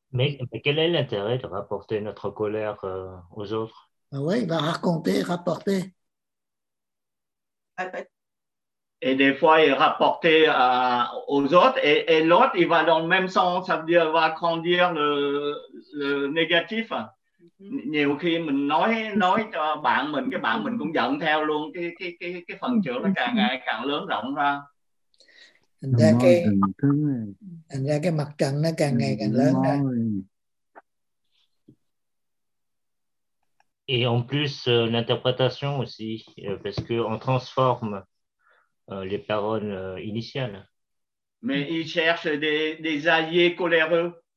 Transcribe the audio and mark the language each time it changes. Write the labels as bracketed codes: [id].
[fr] Mais quel est l'intérêt de rapporter notre colère aux autres? Ah ouais, il va raconter, rapporter. Et des fois, il rapporter aux autres et l'autre, il va dans le même sens, ça veut dire il va grandir le négatif. [vi] Nhiều khi mình nói cho bạn mình, cái bạn mình cũng giận theo luôn, cái phần trưởng nó càng ngày càng lớn rộng ra. Thành ra cái mặt trận nó càng ngày càng lớn ra. [fr] Et en plus l'interprétation aussi parce que on transforme les paroles initiales. Mais ils cherchent des alliés coléreux.